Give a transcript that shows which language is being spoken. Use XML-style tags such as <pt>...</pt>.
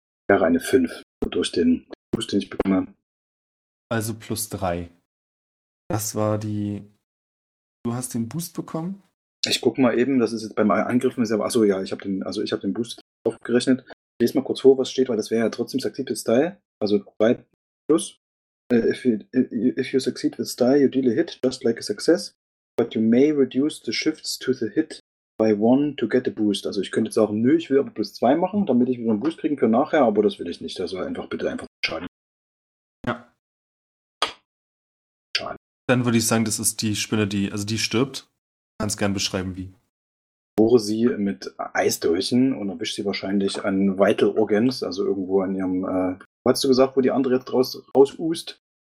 <de>Wäre eine 5 durch den Fuß, den ich bekomme. Also plus 3. Das war die. Du hast den Boost bekommen? Ich guck mal eben, das ist jetzt beim Angriffen, ist ja, achso, ja, ich hab den Boost aufgerechnet. Ich lese mal kurz vor, was steht, weil das wäre ja trotzdem Succeed with Style. Also 3 plus.</de> <en>If you succeed with Style, you deal a hit just like a success, but you may reduce the shifts to the hit by 1 to get a boost.</en> <de>Also ich könnte jetzt sagen, nö, ich will aber plus 2 machen, damit ich wieder einen Boost kriegen kann nachher, aber das will ich nicht. Also einfach bitte einfach entscheiden. Ja. Dann würde ich sagen, das ist die Spinne, die stirbt. Ganz gern beschreiben, wie. Ich bohre sie mit Eisdolchen und erwische sie wahrscheinlich an Vital Organs, also irgendwo an ihrem, wo hast du gesagt, wo die andere jetzt rausust?</de>